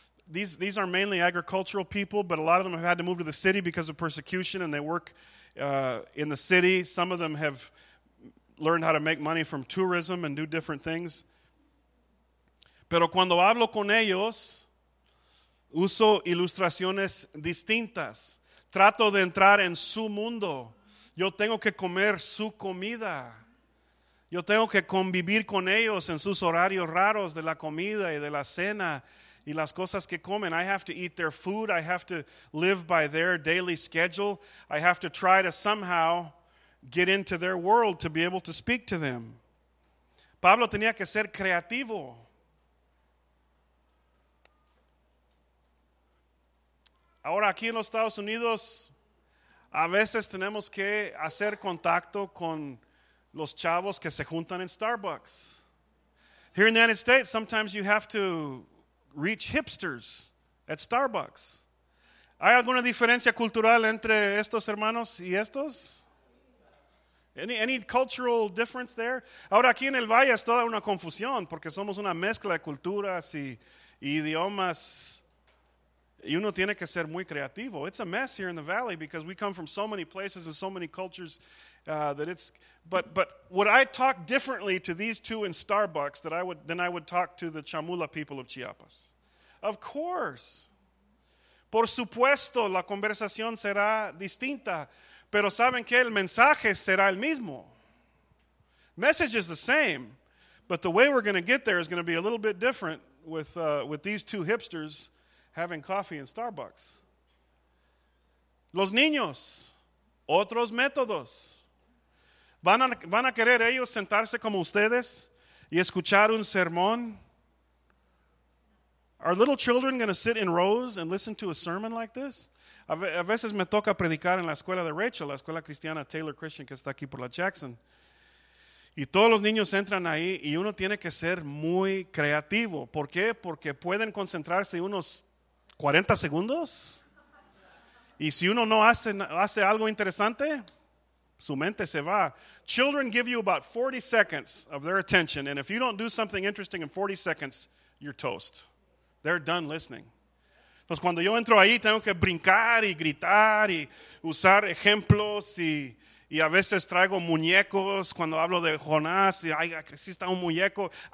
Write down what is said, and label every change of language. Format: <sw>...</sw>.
<en>These are mainly agricultural people, but a lot of them have had to move to the city because of persecution, and they work in the city. Some of them have learned how to make money from tourism and do different things.</en> <es>Pero cuando hablo con ellos, uso ilustraciones distintas. Trato de entrar en su mundo. Yo tengo que comer su comida. Yo tengo que convivir con ellos en sus horarios raros de la comida y de la cena. Y las cosas que comen,</es> <en>I have to eat their food, I have to live by their daily schedule, I have to try to somehow get into their world to be able to speak to them.</en> <es>Pablo tenía que ser creativo. Ahora aquí en los Estados Unidos, a veces tenemos que hacer contacto con los chavos que se juntan en Starbucks.</es> <en>Here in the United States, sometimes you have to reach hipsters at Starbucks.</en> <es>¿Hay alguna diferencia cultural entre estos hermanos y estos?</es> <en>Any cultural difference there?</en> <es>Ahora aquí en el Valle es toda una confusión porque somos una mezcla de culturas y idiomas y uno tiene que ser muy creativo.</es> <en>It's a mess here in the Valley because we come from so many places and so many cultures But would I talk differently to these two in Starbucks than I would talk to the Chamula people of Chiapas? Of course.</en> <es>Por supuesto, la conversación será distinta. Pero saben que el mensaje será el mismo.</es> <en>Message is the same. But the way we're going to get there is going to be a little bit different with these two hipsters having coffee in Starbucks.</en> <es>Los niños, otros métodos. ¿Van a querer ellos sentarse como ustedes y escuchar un sermón?</es> <en>Are little children going to sit in rows and listen to a sermon like this?</en> <es>A veces me toca predicar en la escuela de Rachel, la escuela cristiana Taylor Christian que está aquí por la Jackson. Y todos los niños entran ahí y uno tiene que ser muy creativo. ¿Por qué? Porque pueden concentrarse unos 40 segundos Y si uno no hace algo interesante, su mente se va.</es> <en>Children give you about 40 seconds of their attention, and if you don't do something interesting in 40 seconds, you're toast. They're done listening.</en> <es>Entonces, cuando yo entro ahí, tengo que brincar y gritar y usar ejemplos y a veces traigo muñecos. Cuando hablo de Jonás, y ay, aquí está un muñeco.</es>